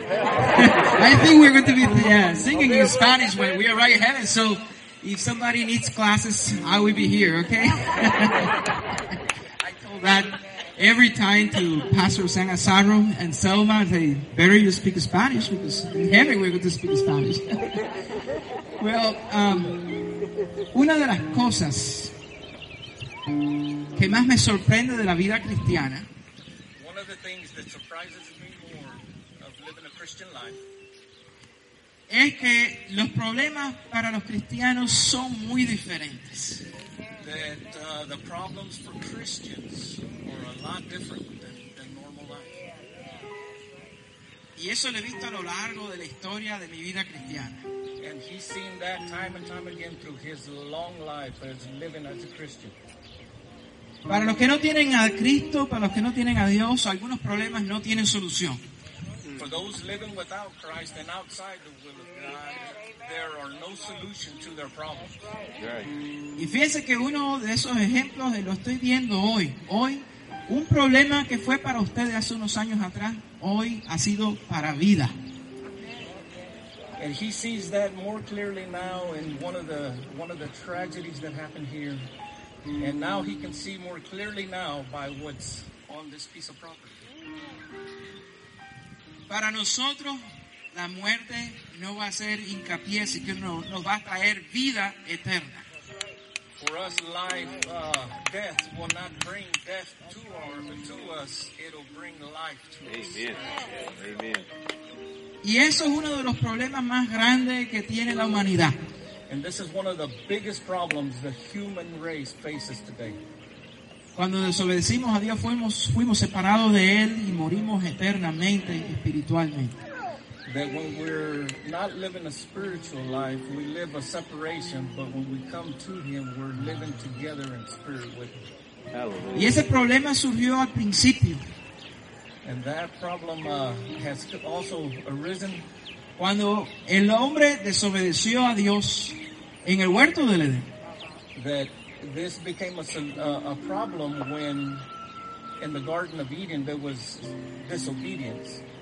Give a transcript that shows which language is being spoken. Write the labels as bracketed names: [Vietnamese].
[English] I think we're going to be singing in Spanish when we arrive in heaven, so if somebody needs classes, I will be here, okay? I told that every time to Pastor San Azaro and Selma, they better you speak Spanish, because in heaven we're going to speak Spanish. [Spanish] Well, una de las cosas que más me sorprende de la vida cristiana, [English] one of the things that surprises me more of living a Christian life, [Spanish] es que los problemas para los cristianos son muy diferentes. [English] That the problems for Christians are a lot different than normal life. [Spanish] Y eso lo he visto a lo largo de la historia de mi vida cristiana. [English] And he's seen that time and time again through his long life as living as a Christian. [Spanish] Para los que no tienen a Cristo, para los que no tienen a Dios, algunos problemas no tienen solución. [English] For those living without Christ and outside the will of God, there are no solutions to their problems. [Spanish] Y fíjense que uno de esos ejemplos lo estoy viendo hoy. Hoy, un problema que fue para ustedes hace unos años atrás, hoy ha sido para vida. [English] And he sees that more clearly now in one of the tragedies that happened here. And now he can see more clearly now by what's on this piece of property. [Spanish] Para nosotros, la muerte no va a ser hincapié, sino que nos va a traer vida eterna. [English] For us, life, death will not bring death to us. It'll bring life to Amen. Us. Amen. Amen. [Spanish] Y eso es uno de los problemas más grandes que tiene la humanidad. [English] And this is one of the biggest problems the human race faces today. [Spanish] Cuando desobedecimos a Dios, fuimos separados de Él y morimos eternamente y espiritualmente. [English] That when we're not living a spiritual life, we live a separation, but when we come to Him, we're living together in spirit with Him. Hallelujah. [Spanish] Y ese problema surgió al principio. [English] And that problem has also arisen. [Spanish] Cuando el hombre desobedeció a Dios en el huerto del Edén. [English] That this became a problem when in the Garden of Eden there was disobedience.